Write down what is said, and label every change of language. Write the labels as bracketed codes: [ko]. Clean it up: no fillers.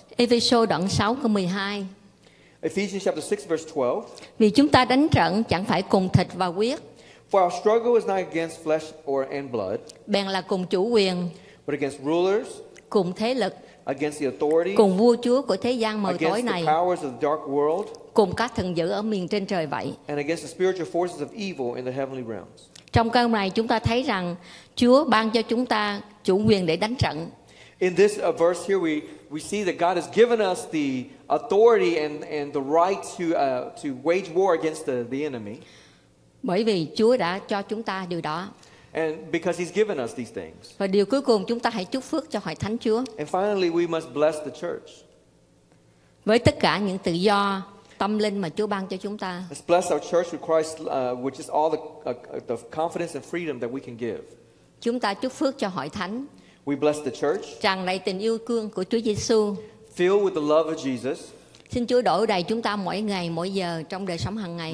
[vi] Ephesians đoạn 6 câu 12. [en] Ephesians chapter 6 verse 12. [vi] Vì chúng ta đánh trận chẳng phải cùng thịt và huyết. [en] For our struggle is not against flesh or and blood. [vi] Bèn là cùng chủ quyền. [en] But against rulers. [vi] Cùng thế lực. [en] Against the authority, [vi] cùng vua chúa của thế gian mờ tối này, [en] the powers of the dark world, [vi] cùng các thần dữ ở miền trên trời vậy. [en] And against the spiritual forces of evil in the heavenly realms. [vi] Trong câu này chúng ta thấy rằng Chúa ban cho chúng ta chủ quyền để đánh trận. [en] In this verse here we see that God has given us the authority and the right to wage war against the enemy. [vi] Bởi vì Chúa đã cho chúng ta điều đó. [en] And because he's given us these things. [vi] Và điều cuối cùng chúng ta hãy chúc phước cho hội thánh Chúa. [en] And finally we must bless the church. [vi] Với tất cả những tự do tâm linh mà Chúa ban cho chúng ta. [en] Let's bless our church with Christ which is all the confidence and freedom that we can give. [vi] Chúng ta chúc phước cho hội thánh. [en] We bless the church. [vi] Tràn đầy tình yêu thương của Chúa Giêsu. [en] Filled with the love of Jesus. [vi] Xin Chúa đổ đầy chúng ta mỗi ngày, mỗi giờ trong đời sống hàng ngày.